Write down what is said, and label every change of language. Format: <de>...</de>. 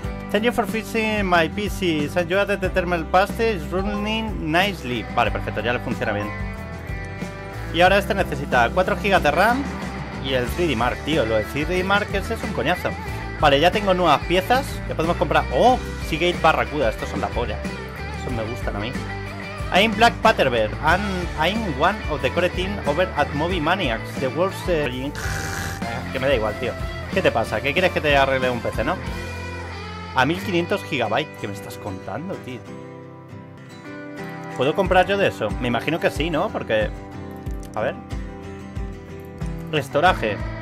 <en>Thank you for fixing my PC. It's enjoyed the thermal paste. It's running nicely.</en> <es>Vale, perfecto, ya le funciona bien. Y ahora este necesita 4 GB de RAM y el 3D Mark, tío. Lo del 3D Mark ese es un coñazo. Vale, ya tengo nuevas piezas. Ya podemos comprar. ¡Oh! Seagate Barracuda. Estos son la polla. Esos me gustan a mí.</es> <en>I'm Black Paterberg, and I'm one of the core team over at Movie Maniacs, the world's...</en> <es>Que me da igual, tío. ¿Qué te pasa? ¿Qué quieres que te arregle un PC, no? A 1500 GB, ¿qué me estás contando, tío? ¿Puedo comprar yo de eso? Me imagino que sí, ¿no? Porque... A ver... Restoraje.</es>